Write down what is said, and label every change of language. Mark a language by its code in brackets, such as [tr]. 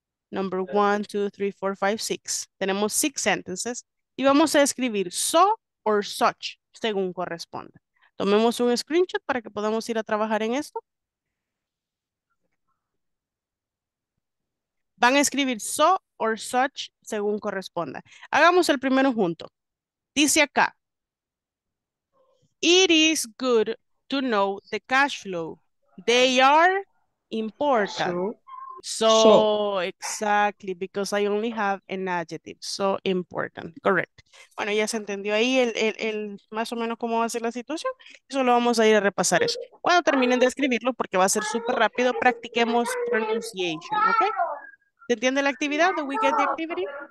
[en] Number one, two, three, four, five, six. [es] Tenemos [en] six sentences [es] y vamos a escribir [en] so or such [es] según corresponda. Tomemos un screenshot para que podamos ir a trabajar en esto. Van a escribir so or such según corresponda. Hagamos el primero junto. Dice acá. [en] It is good to know the cash flow. They are important. So, exactly, because I only have an adjective. So important, correct. [es] Bueno, ya se entendió ahí el más o menos cómo va a ser la situación. Solo vamos a ir a repasar eso. Cuando terminen de escribirlo, porque va a ser súper rápido, practiquemos pronunciation, ¿ok? ¿Se entiende la actividad? [en] ¿Do we get the activity?